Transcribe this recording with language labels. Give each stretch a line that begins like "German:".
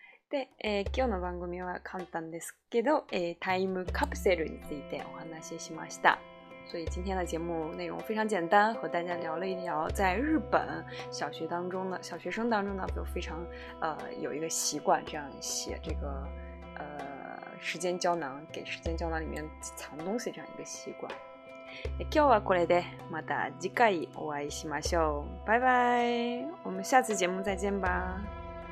Japanese: で、今日の番組は簡単ですけど、タイムカプセルについてお話ししました。
Chinese: 所以今天的节目内容非常简单，和大家聊了一聊在日本小学当中的小学生当中呢，就非常有一个习惯，这样写这个时间胶囊，给时间胶囊里面藏东西这样一个习惯。
Japanese: 今日はこれで、また次回お会いしましょう。
Chinese: 拜拜，我们下次节目再见吧。